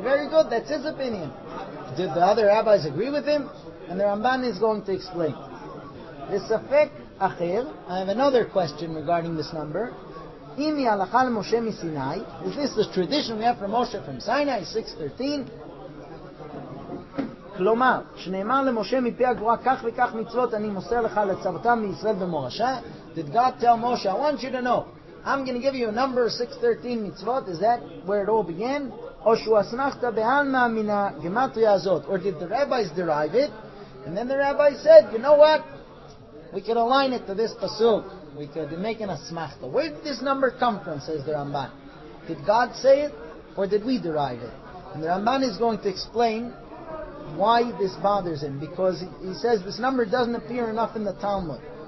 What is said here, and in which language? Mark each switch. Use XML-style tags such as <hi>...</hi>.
<en>Very good, that's his opinion. Did the other rabbis agree with him? And the Ramban is going to explain. The Safek Achir, I have another question regarding this number.</en> <he>Imi alachal Moshe Misinai,</he> <en>is this the tradition we have from Moshe from Sinai, 613?</en> <he>כלומר, שנאמר למשה מפי הגבורה, כך וכך מצוות אני מוסר לך לצוותם מישראל במורשה.</he> <en>Did God tell Moshe, I want you to know, I'm going to give you a number 613 מצוות, is that where it all began?</en> <he>או שהוא אסנחת בעלמה מן הגמטריה הזאת.</he> <en>Or did the rabbis derive it? And then the rabbi said, you know what? We could align it to this pasuk. We could make an asmachta. Where did this number come from, says the Ramban? Did God say it? Or did we derive it? And the Ramban is going to explain why this bothers him, because he says this number doesn't appear enough in the Talmud.</en>